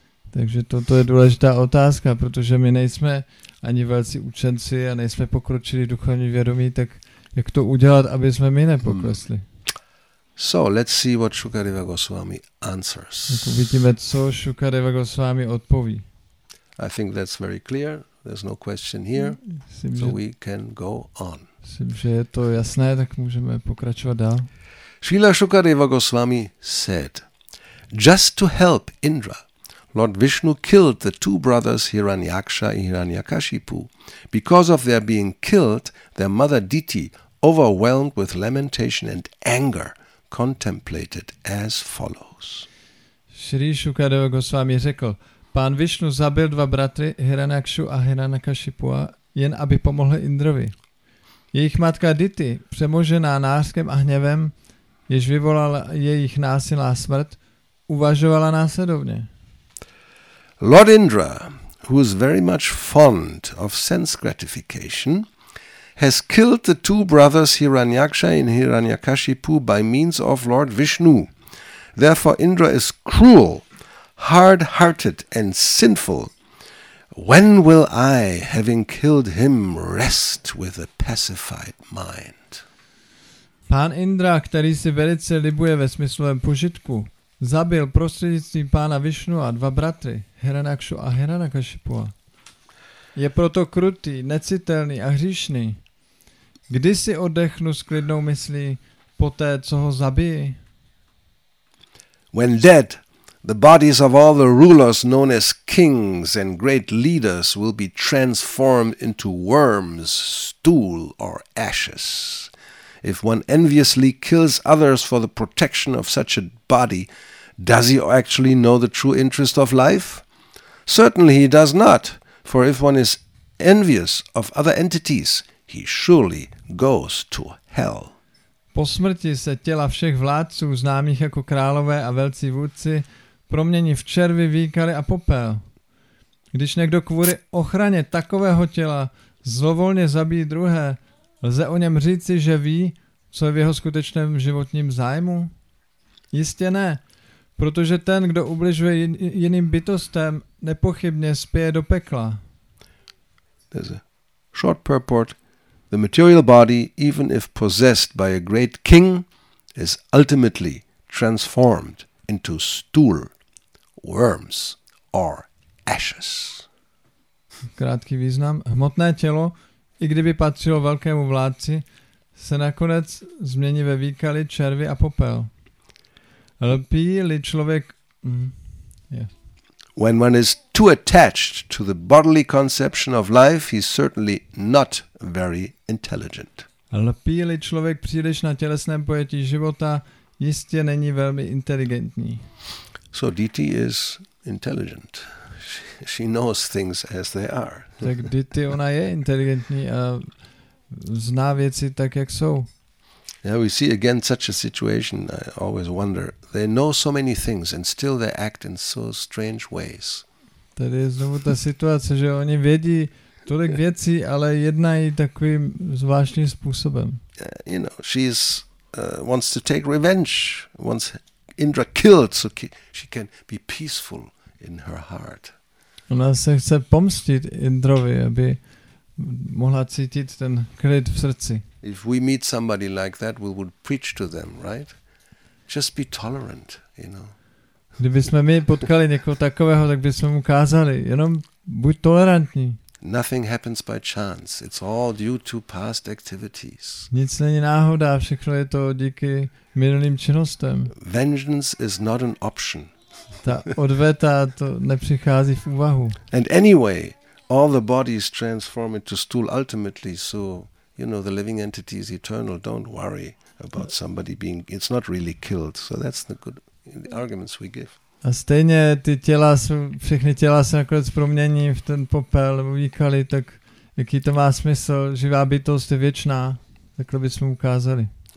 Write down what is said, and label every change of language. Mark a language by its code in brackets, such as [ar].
[cs] Takže toto je důležitá otázka, protože my nejsme ani velcí učenci a nejsme pokročili duchovní vědomí, tak jak to udělat, aby jsme my nepoklesli? [en] So let's see what Shukadeva Goswami answers. [cs] Tak uvidíme, co Shukadeva Goswami odpoví. [en] I think that's very clear. There's no question here, [cs] myslím, [en] so we can go on. [cs] Myslím, že je to jasné, tak můžeme pokračovat dál. [en] Srila Shukadeva Goswami said, just to help Indra, Lord Vishnu killed the two brothers Hiranyaksha and Hiranyakashipu. Because of their being killed, their mother Diti, overwhelmed with lamentation and anger, contemplated as follows. [cs] Srila Shukadeva Goswami řekl, Pán Vishnu zabil dva bratry, Hiranyakshu a Hiranyakashipua, jen aby pomohl Indrovi. Jejich matka Diti, přemožená nářkem a hněvem, jež vyvolala jejich násilná smrt, uvažovala následovně. [en] Lord Indra, who is very much fond of sense gratification, has killed the two brothers Hiranyaksha and Hiranyakashipu by means of Lord Vishnu. Therefore Indra is cruel, hard-hearted and sinful. When will I, having killed him, rest with a pacified mind? [cs] Pán Indra, který si velice libuje ve smyslovém požitku, zabil prostřednictvím pána Vishnu a dva bratry, Hiranyakshu a Hiranyakashipua. Je proto krutý, necitelný a hříšný. Kdy si oddechnu s klidnou myslí poté, co ho zabijí? [en] When dead, the bodies of all the rulers known as kings and great leaders will be transformed into worms, stool or ashes. If one enviously kills others for the protection of such a body, does he actually know the true interest of life? Certainly he does not, for if one is envious of other entities, he surely goes to hell. [cs] Po smrti se těla všech vládců, známých jako králové a velcí vůdci, promění v červy, výkaly a popel. Když někdo kvůli ochraně takového těla zlovolně zabíjí druhé, lze o něm říci, že ví, co je v jeho skutečném životním zájmu? Jistě ne, protože ten, kdo ubližuje jiným bytostem, nepochybně spěje do pekla. [en] There's a short purport. The material body, even if possessed by a great king, is ultimately transformed into stool, worms or ashes. [cs] Krátký význam. Hmotné tělo, i kdyby patřilo velkému vládci, se nakonec změní ve výkaly, červy a popel. Lpí-li člověk... [en] When one is too attached to the bodily conception of life, he's certainly not very intelligent. [cs] Lpí-li člověk příliš na tělesném pojetí života, jistě není velmi inteligentní. [en] So Diti is intelligent. She knows things as they are. [cs] Tak Diti, ona je inteligentní a zná věci tak, jak jsou. [en] Yeah, we see again such a situation. I always wonder. They know so many things and still they act in so strange ways. [cs] Tady je znovu ta situace, že oni vědí tolik věcí, ale jednají takovým zvláštním způsobem. [en] Yeah, you know, she is wants to take revenge. Wants Indra killed so she can be peaceful in her heart. [cs] Ona se chce pomstit Indrovi, aby mohla cítit ten klid v srdci. [en] If we meet somebody like that, we would preach to them, right? Just be tolerant, you know. [cs] Kdybychom my potkali někoho takového, tak bychom mu kázali, jenom buď tolerantní. [en] Nothing happens by chance. It's all due to past activities. [cs] Nic není náhoda, všechno je to díky minulým činnostem. [en] Vengeance is not an option. [cs] Ta odveta to nepřichází v úvahu. [en] And anyway, all the bodies transform into stool ultimately, so you know the living entity is eternal. Don't worry about somebody being, it's not really killed. So that's the good the arguments we give. [cs] A stejně ty těla, všechny těla se nakonec promění v ten popel, vykali, tak jaký to má smysl? Živá bytost je věčná, takhle bychom ukázali.